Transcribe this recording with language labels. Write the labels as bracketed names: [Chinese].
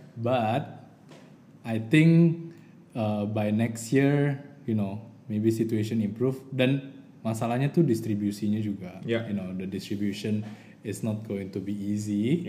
[English] But I think by next year, you know, maybe situation improve. [Indonesian] Dan masalahnya tuh distribusinya juga. [English] Yeah. You know, the distribution is not going to be easy.